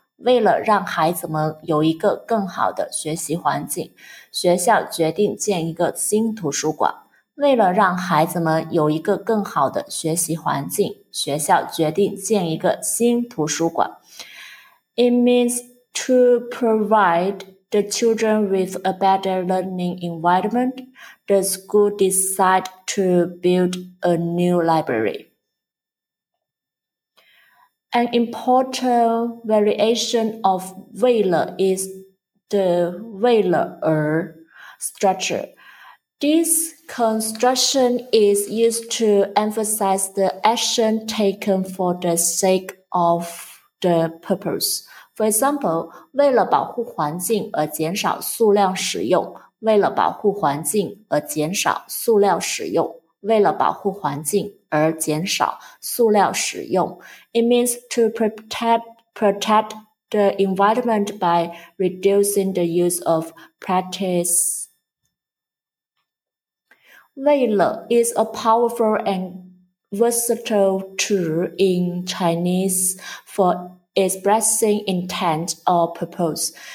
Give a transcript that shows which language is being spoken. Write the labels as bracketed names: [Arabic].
[Chinese] 为了让孩子们有一个更好的学习环境，学校决定建一个新图书馆。为了让孩子们有一个更好的学习环境，学校决定建一个新图书馆。 [English] It means to provide the children with a better learning environment, the school decides to build a new library. An important variation of 为了 is the 为了而 structure. This construction is used to emphasize the action taken for the sake of the purpose. For example, [Chinese] 为了保护环境而减少塑料使用。为了保护环境而减少塑料使用。为了保护环境而减少塑料使用。 [English] It means to protect the environment by reducing the use of plastics. 为了 is a powerful and versatile tool in Chinese for expressing intent or purpose.